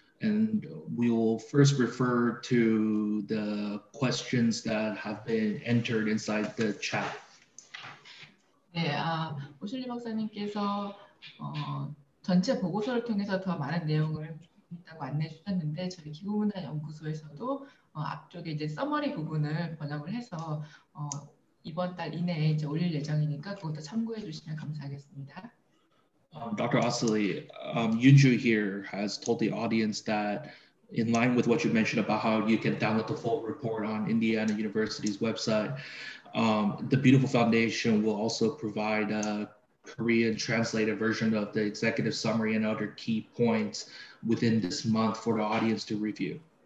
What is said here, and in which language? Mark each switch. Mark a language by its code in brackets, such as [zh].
[en] And we will first refer to the questions that have been entered inside the chat. [ko] 네, 오실리 박사님께서 전체 보고서를 통해서 더 많은 내용을 있다고 안내해 주셨는데 저희 기후문화연구소에서도 앞쪽에 이제 서머리 부분을 번역을 해서 이번 달 이내에 이제 올릴 예정이니까 그것도 참고해 주시면 감사하겠습니다. [en] Dr. Osley, Yunju here has told the audience that in line with what you mentioned about how you can download the full report on Indiana University's website, the Beautiful Foundation will also provide a Korean translated version of the executive summary and other key points within this month for the audience to review.